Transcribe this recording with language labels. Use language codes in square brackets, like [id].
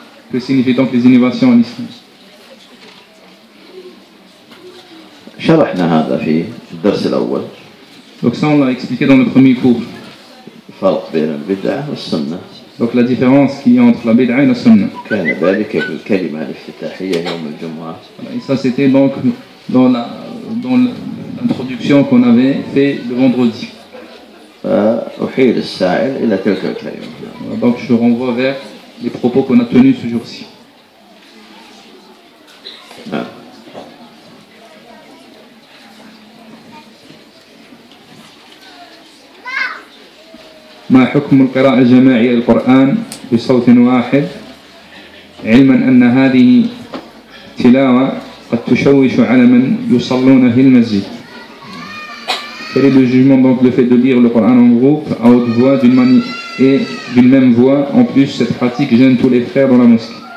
[fr] Que signifie donc les innovations en islam? [ar] Sharahna hadha fi ad-dars al-awwal. [fr] Donc ça, on l'a expliqué dans le premier cours. [ar] فرق بين البدعة والسنة. [fr] Donc la différence qu'il y a entre la بدعة et la سنة. [ar] كان ذلك في الكلمة الافتتاحية يوم الجمعة. [fr] Et ça, c'était donc dans l'introduction qu'on avait fait le vendredi. [ar] فأحيل السائل إلى تلك الكلمة. [fr] Donc je renvoie vers les propos qu'on a tenus ce jour-ci. [ar] ما حكم القراءة الجماعية للقرآن بصوت واحد علما أن هذه تلاوة قد تشوش على من يصلون في المسجد؟ [fr] Quel est le jugement donc le fait de lire le Coran en groupe à haute voix d'une manière et d'une même voix en plus cette pratique gêne tous les frères dans la mosquée.